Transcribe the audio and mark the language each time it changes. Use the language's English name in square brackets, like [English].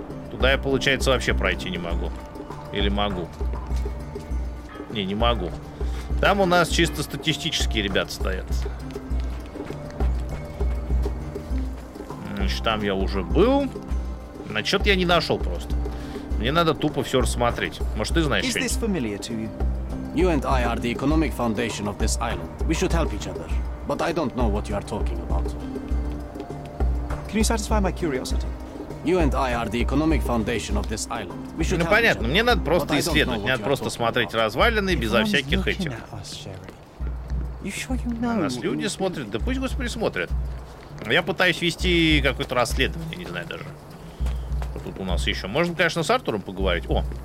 [Russian] Туда я, получается, вообще пройти не могу. Или могу? Не, не могу. Там у нас чисто статистические ребята стоят. Значит, там я уже был. На счет я не нашел просто. Мне надо тупо все рассмотреть. Может, ты знаешь что-нибудь? Это [English] familiar to you? You and I are the economic foundation of this island. We should help each other. But I don't know what you are talking about. Can you satisfy my curiosity? You and I are the economic foundation of this island. We should. [Russian] Ну понятно, мне надо просто исследовать, мне надо просто смотреть развалины безо всяких этих. Нас люди смотрят, да пусть господи смотрят. Я пытаюсь вести какое-то расследование, не знаю даже. Что тут у нас еще? Можно, конечно, с Артуром поговорить. О.